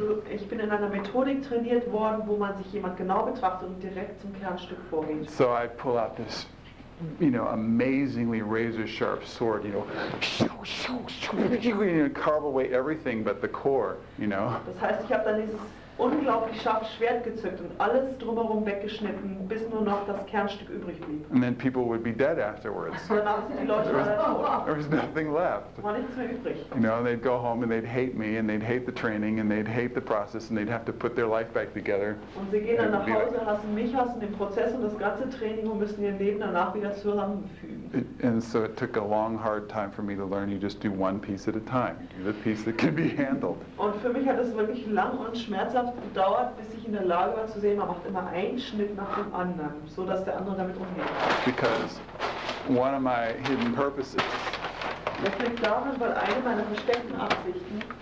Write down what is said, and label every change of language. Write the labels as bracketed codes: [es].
[de] Ich bin in einer Methodik trainiert worden, wo man sich jemand genau betrachtet und direkt zum Kernstück vorgeht. [en] So I pull out this, you know, amazingly razor sharp sword, you know, you carve away everything but the core, you know. [de] Das heißt, ich habe dann dieses unglaublich scharfe Schwert gezückt und alles drumherum weggeschnitten, bis nur noch das Kernstück übrig blieb. [en] And then people would be dead afterwards. there was nothing left. [de] War nichts mehr übrig. [en] You know, and they'd go home and they'd hate me and they'd hate the training and they'd hate the process and they'd have to put their life back together. [de] Und sie gehen dann nach Hause, hassen mich, hassen den Prozess und das ganze Training und müssen ihr Leben danach wieder zusammenfügen. [en] And so it took a long, hard time for me to learn. You just do one piece at a time. Do the piece that can be handled. [de] Und für mich hat es wirklich lang und schmerzhaft gedauert, bis ich in der Lage war zu sehen, man macht immer einen Schnitt nach dem anderen, so dass der andere damit umgeht. [en] Because one of my hidden purposes, [de] das liegt daran, weil eine meiner versteckten Absichten